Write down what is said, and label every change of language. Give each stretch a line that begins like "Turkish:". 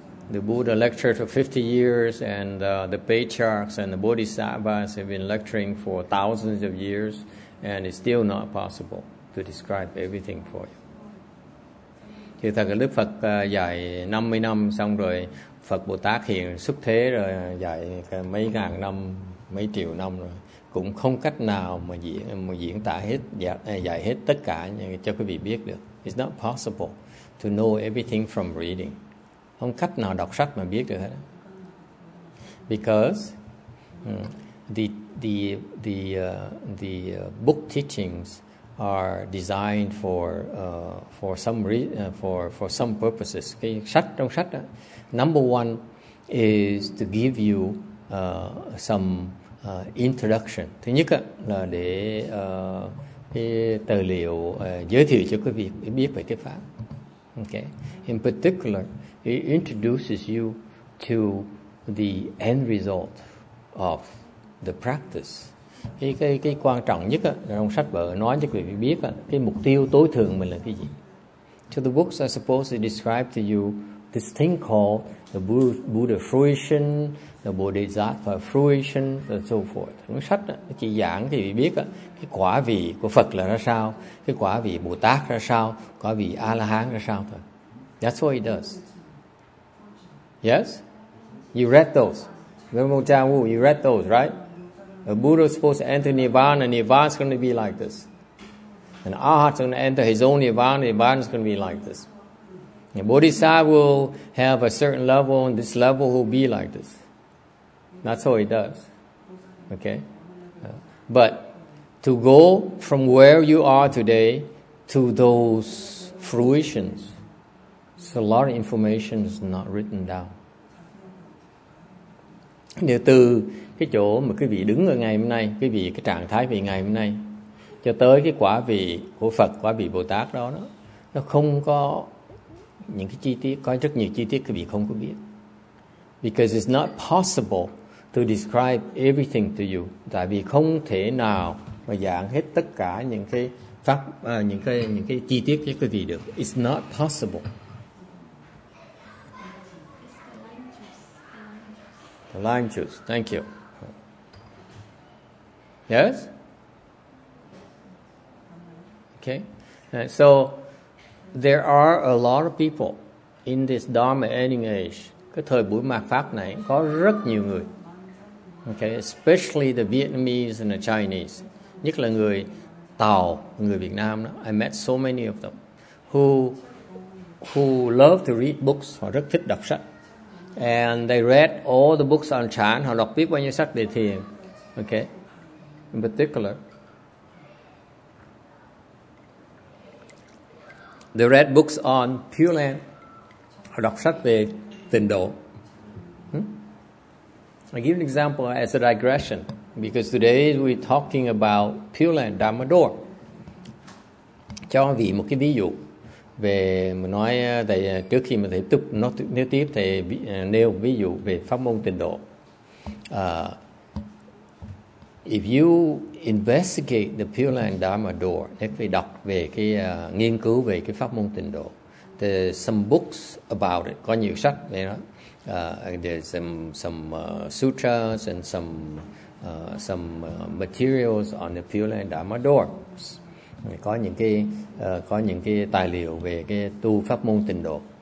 English: The Buddha lectured for 50 years and the patriarchs and the bodhisattvas have been lecturing for thousands of years and it's still not possible to describe everything for you.
Vietnamese: Thì thật là Đức Phật dạy 50 năm xong rồi Phật Bồ Tát hiện xuất thế rồi dạy mấy ngàn năm, mấy triệu năm rồi. Cũng không cách nào mà diễn tả hết, dạy hết tất cả cho quý vị biết được.
English: It's not possible to know everything from reading.
Vietnamese: Không cách nào đọc sách mà biết được hết.
English: Because the book teachings are designed for some purposes.
Vietnamese: Cái sách trong sách đó,
English: number one is to give you some introduction.
Vietnamese: Thứ nhất á, là để cái tài liệu giới thiệu cho quý vị biết về cái pháp.
English: Okay. In particular, it introduces you to the end result of the practice.
Vietnamese: Cái quan trọng nhất á, trong sách vở nói cho quý vị biết á, cái mục tiêu tối thượng mình là cái gì.
English: So the books are supposed to describe to you this thing called the Buddha fruition, the Bodhisattva fruition, and so forth.
Vietnamese: Cuốn sách đó, chỉ giảng thì biết đó, cái quả vị của Phật là ra sao, cái quả vị Bồ Tát ra sao, quả vị A-la-hán ra sao thôi.
English: That's what it does. Yes? You read those. You read those, right? The Buddha is supposed to enter Nirvana, and Nirvana is going to be like this. And Arhat is going to enter his own Nirvana, and Nirvana is going to be like this. A Bodhisattva will have a certain level, and this level will be like this. That's how it does. Okay? But to go from where you are today to those fruitions, it's a lot of information is not written down.
Vietnamese: Nếu từ cái chỗ mà quý vị đứng ở ngày hôm nay, quý vị cái trạng thái về ngày hôm nay, cho tới cái quả vị của Phật, quả vị Bồ Tát đó, nó không có những cái chi tiết, có rất nhiều chi tiết quý vị không có biết.
English: Because it's not possible to describe everything to you.
Vietnamese: Tại vì không thể nào mà giảng hết tất cả những cái pháp, những cái chi tiết cho quý vị được.
English: It's not possible. The lime juice. Thank you. Yes? Okay. So there are a lot of people in this Dharma ending age.
Vietnamese: Cái thời buổi mạt pháp này có rất nhiều người. Okay,
English: especially the Vietnamese and the Chinese.
Vietnamese: Nhất là người Tàu, người Việt Nam đó.
English: I met so many of them who love to read books.
Vietnamese: Họ rất thích đọc sách.
English: And they read all the books on Chan.
Vietnamese: Họ đọc biết bao nhiêu sách về thiền.
English: Okay, in particular, they read books on Pure Land.
Vietnamese: Họ đọc sách về tịnh độ.
English: I give an example as a digression, because today we're talking about Pure Land Dharma Door.
Vietnamese: Cho vị một cái ví dụ về mình nói thầy, trước khi mà thầy tiếp nói nếu tiếp thầy nêu ví dụ về pháp môn tịnh độ.
English: If you investigate the Pure Land Dharma Door,
Vietnamese: nếu vị đọc về cái nghiên cứu về cái pháp môn tịnh độ,
English: there's some books about it,
Vietnamese: có nhiều sách về nó.
English: There's some sutras and some materials on the Pure Land Dharma Door.
Vietnamese: Có những cái tài liệu về cái tu pháp môn tịnh độ.